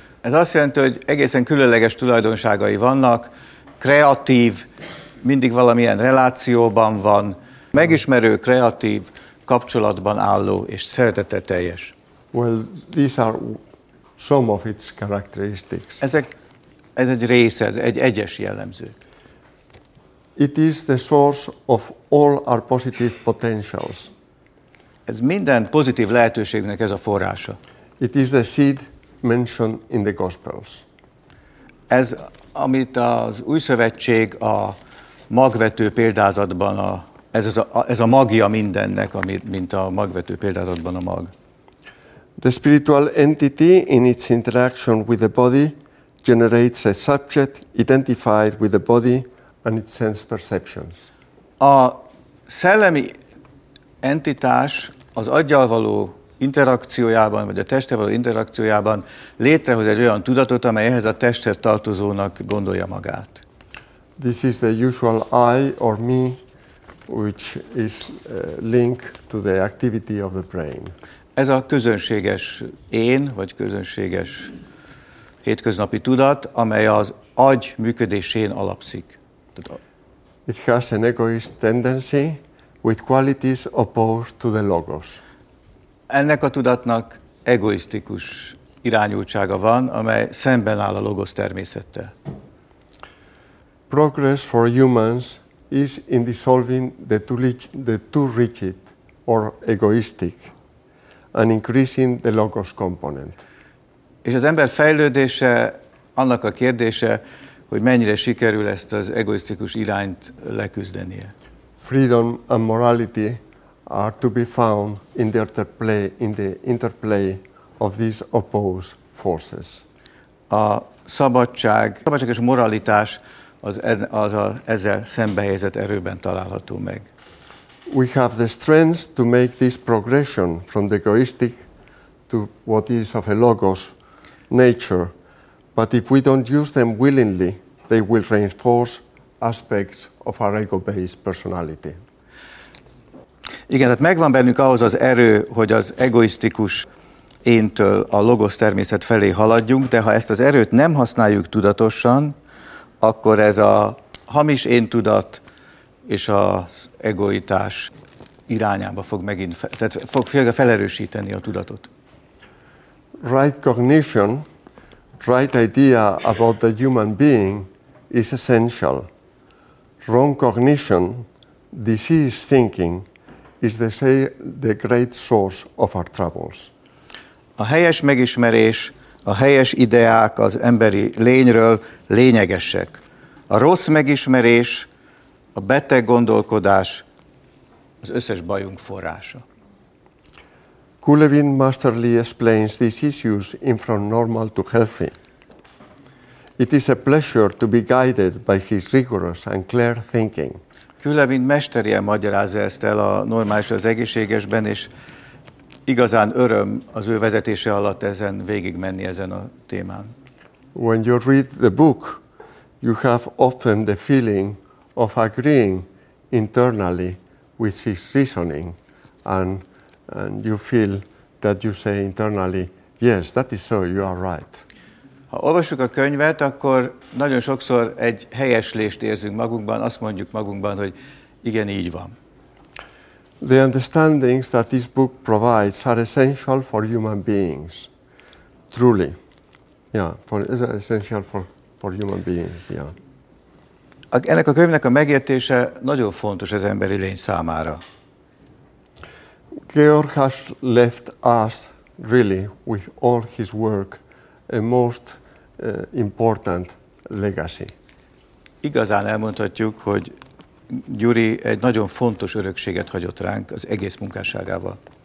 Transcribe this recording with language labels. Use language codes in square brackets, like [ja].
[hu] Ez azt jelenti, hogy egészen különleges tulajdonságai vannak, kreatív, mindig valamilyen relációban van, megismerő, kreatív, kapcsolatban álló és szereteteteljes. [en] Well, these are some of its characteristics. [hu] Ez egy része, ez egy egyes jellemző. [en] It is the source of all our positive potentials. [hu] Ez minden pozitív lehetőségnek ez a forrása. [en] It is the seed mentioned in the Gospels. [hu] Ez, amit az Új Szövetség a magvető példázatban, ez a magja mindennek, mint a magvető példázatban a mag. [en] The spiritual entity in its interaction with the body generates a subject identified with the body and its sense perceptions. [hu] A szellemi entitás az aggyal való interakciójában, vagy a testtel való interakciójában létrehoz egy olyan tudatot, amely ehhez a testhez tartozónak gondolja magát. [en] This is the usual I or me, which is linked to the activity of the brain. [hu] Ez a közönséges én, vagy közönséges hétköznapi tudat, amely az agy működésén alapszik. [en] It has an egoist tendency with qualities opposed to the logos. [hu] Ennek a tudatnak egoisztikus irányultsága van, amely szemben áll a logosz természettel. [en] Progress for humans is in dissolving the too rigid or egoistic and increasing the logos component. [hu] És az ember fejlődése annak a kérdése, hogy mennyire sikerül ezt az egoisztikus irányt leküzdenie. [en] Freedom and morality are to be found in the interplay, of these opposed forces. [hu] A szabadság és a moralitás ezzel szembehelyezett erőben található meg. [en] We have the strength to make this progression from the egoistic to what is of a logos nature, but if we don't use them willingly, they will reinforce aspects of our ego-based personality. [hu] Igen, tehát megvan bennünk ahhoz az erő, hogy az egoisztikus éntől a logosz természet felé haladjunk, de ha ezt az erőt nem használjuk tudatosan, akkor ez a hamis éntudat és az egoitás irányába fog megint, tehát fog felerősíteni a tudatot. [en] Right cognition, right idea about the human being is essential. Wrong cognition, diseased thinking, is the great source of our troubles. [hu] A helyes megismerés, a helyes ideák az emberi lényről lényegesek. A rossz megismerés, a beteg gondolkodás az összes bajunk forrása. [en] Kulevin masterly explains these issues in from normal to healthy. It is a pleasure to be guided by his rigorous and clear thinking. [hu] Kulevin mesterien magyarázza ezt el a normális az egészségesben, és igazán öröm az ő vezetése alatt ezen végigmenni ezen a témán. [en] When you read the book, you have often the feeling of agreeing internally with his reasoning, and you feel that you say internally, yes, that is so, you are right. [hu] Ha olvassuk a könyvet, akkor nagyon sokszor egy helyeslést érzünk magunkban, azt mondjuk magunkban, hogy igen, így van. [en] The understandings that this book provides are essential for human beings, truly. Yeah, essential for human beings, yeah. [hu] Ennek a könyvnek a megértése nagyon fontos az emberi lény számára. [en] Georg has left us, really, with all his work, a most important legacy. [hu] Igazán elmondhatjuk, hogy Gyuri egy nagyon fontos örökséget hagyott ránk az egész munkásságával.